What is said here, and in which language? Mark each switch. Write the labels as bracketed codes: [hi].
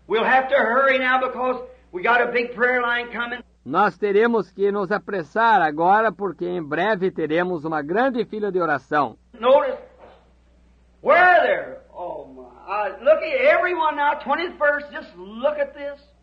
[en] We'll have to hurry now because we got a big prayer line coming. [pt] Nós teremos que nos apressar agora, porque em breve teremos uma grande fila de oração. [en] Notice, where are there? Oh my, look at everyone now, 21st, just look at this.